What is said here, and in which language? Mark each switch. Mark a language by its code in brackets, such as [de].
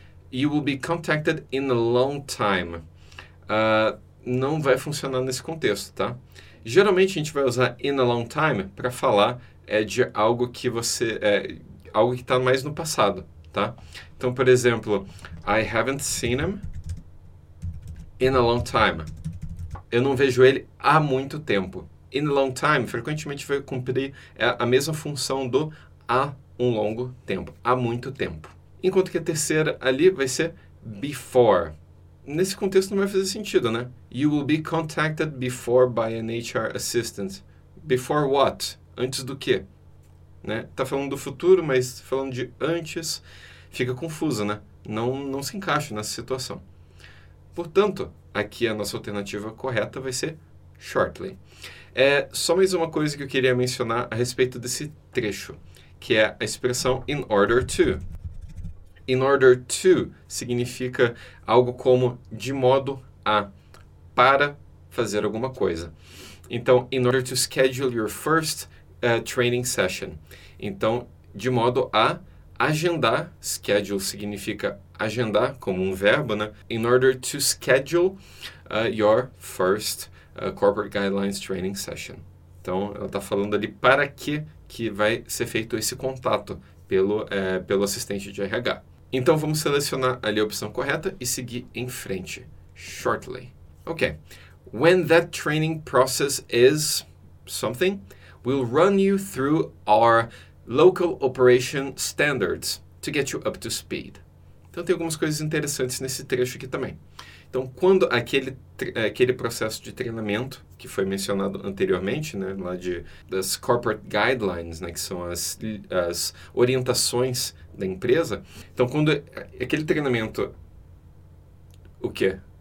[en] You will be contacted in a long time. [pt] Não vai funcionar nesse contexto, tá? Geralmente, a gente vai usar in a long time para falar de algo que você... algo que está mais no passado, tá? Então, por exemplo, [en] I haven't seen him in a long time. [pt] Eu não vejo ele há muito tempo. In a long time, frequentemente, vai cumprir a mesma função do há um longo tempo. Há muito tempo. Enquanto que a terceira ali vai ser before. Nesse contexto, não vai fazer sentido, né? [en] You will be contacted before by an HR assistant. Before what? [pt] Antes do quê? Né? Tá falando do futuro, mas falando de antes, fica confuso, né? Não se encaixa nessa situação. Portanto, aqui a nossa alternativa correta vai ser shortly. Só mais uma coisa que eu queria mencionar a respeito desse trecho, que é a expressão in order to. In order to significa algo como de modo a, para fazer alguma coisa. Então, [en] in order to schedule your first training session. [pt] Então, de modo a agendar, schedule significa agendar como um verbo, né? [en] In order to schedule your first corporate guidelines training session. [pt] Então, ela está falando ali para que vai ser feito esse contato pelo assistente de RH. Então, vamos selecionar ali a opção correta e seguir em frente. [en] Shortly. Ok. When that training process is something, we'll run you through our local operation standards to get you up to speed. [pt] Então, tem algumas coisas interessantes nesse trecho aqui também. Então, quando aquele processo de treinamento que foi mencionado anteriormente, né, lá das corporate guidelines, né, que são as orientações da empresa. Então, quando aquele treinamento, o quê?